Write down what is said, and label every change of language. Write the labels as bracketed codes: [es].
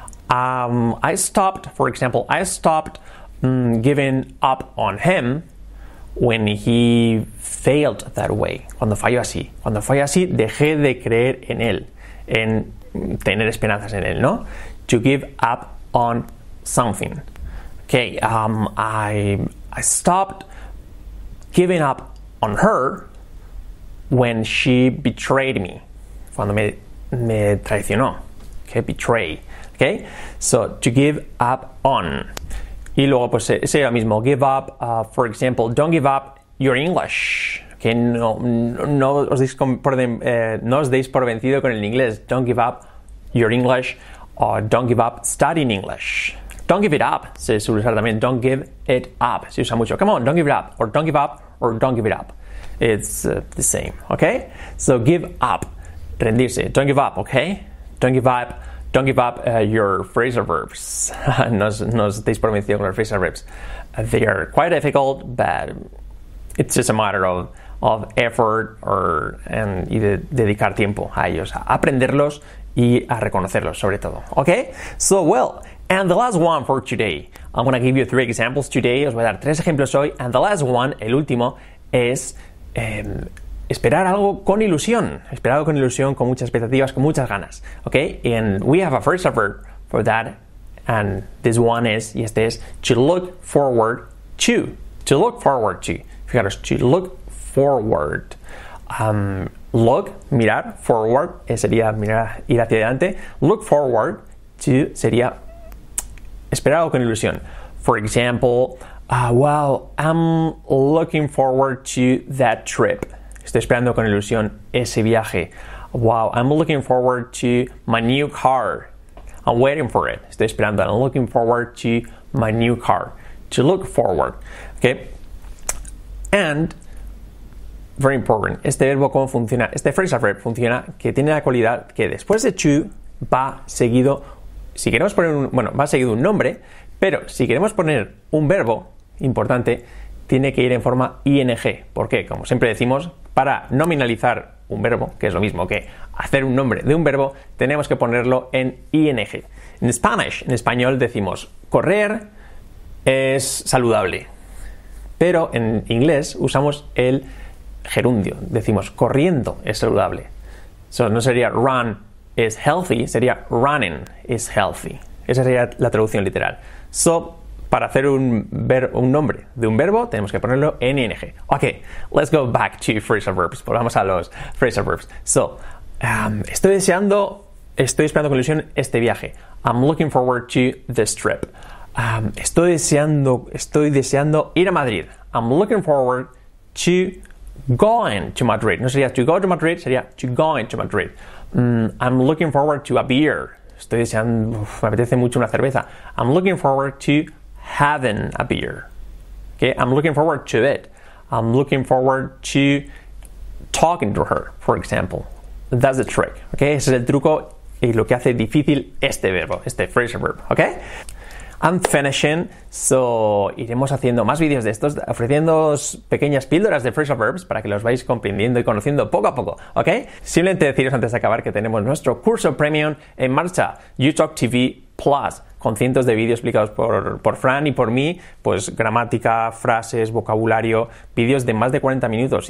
[en] I stopped, for example, I stopped giving up on him when he failed that way. [es] Cuando falló así. Cuando falló así, dejé de creer en él, en tener esperanzas en él, ¿no? [en] To give up on something. Okay, I stopped giving up on her when she betrayed me. [es] Cuando me traicionó. Okay, betray. [en] Okay, so to give up on. [es] Y luego pues sería lo mismo. [en] Give up, for example, don't give up your English. [es] Okay, no os deis por vencido con el inglés. [en] Don't give up your English. Or don't give up studying English. Don't give it up. [es] Se suele usar también. [en] Don't give it up. [es] Se usa mucho. [en] Come on, don't give it up. Or don't give up. Or don't give it up. It's the same. Okay? So give up. [es] Rendirse. [en] Don't give up. Okay? Don't give up. Don't give up your phrasal verbs. [es] No os deis por vencido con los phrasal verbs. [en] They are quite difficult, but it's just a matter of effort and [es] dedicar tiempo a ellos. A aprenderlos y a reconocerlos, sobre todo. [en] Okay? So, well, and the last one for today. I'm going to give you three examples today. [es] Os voy a dar tres ejemplos hoy. [en] And the last one, [es] el último, es esperar algo con ilusión. Esperar algo con ilusión, con muchas expectativas, con muchas ganas. [en] Okay? And we have a first effort for that. And this one is, [es] y este es, [en] to look forward to. To look forward to. [es] Fijaros, to look forward. Look, mirar, forward, sería mirar, ir hacia adelante. Look forward to sería esperar algo con ilusión. [en] For example, I'm looking forward to that trip. [es] Estoy esperando con ilusión ese viaje. [en] Wow, I'm looking forward to my new car. I'm waiting for it. [es] Estoy esperando. [en] I'm looking forward to my new car. To look forward. Okay. And very important. [es] Este verbo, ¿cómo funciona? Este phrasal verb funciona que tiene la cualidad que después de to va seguido. Si queremos poner un. Bueno, va seguido un nombre, pero si queremos poner un verbo importante, tiene que ir en forma ing. ¿Por qué? Como siempre decimos, para nominalizar un verbo, que es lo mismo que hacer un nombre de un verbo, tenemos que ponerlo en ing. En Spanish, en español decimos correr es saludable. Pero en inglés usamos el gerundio. Decimos corriendo es saludable. So, no sería [en] run is healthy, [es] sería [en] running is healthy. [es] Esa sería la traducción literal. So, para hacer un nombre de un verbo, tenemos que ponerlo en ing. [en] Ok, let's go back to phrasal verbs. [es] Volvamos a los phrasal verbs. So, estoy esperando con ilusión este viaje. [en] I'm looking forward to this trip. [es] Estoy deseando ir a Madrid. [en] I'm looking forward to going to Madrid. [es] No sería [en] to go to Madrid, [es] sería [en] to going to Madrid. I'm looking forward to a beer. [es] Estoy deseando, me apetece mucho una cerveza. [en] I'm looking forward to having a beer. Okay, I'm looking forward to it. I'm looking forward to talking to her, for example. That's the trick. [es] Okay, ese es el truco y lo que hace difícil este verbo, este phrasal verb. Okay? [en] I'm finishing, [es] so iremos haciendo más vídeos de estos, ofreciéndoos pequeñas píldoras de phrasal verbs para que los vais comprendiendo y conociendo poco a poco, ¿ok? Simplemente deciros antes de acabar que tenemos nuestro curso premium en marcha, YouTalk TV Plus, con cientos de vídeos explicados por Fran y por mí, pues gramática, frases, vocabulario, vídeos de más de 40 minutos.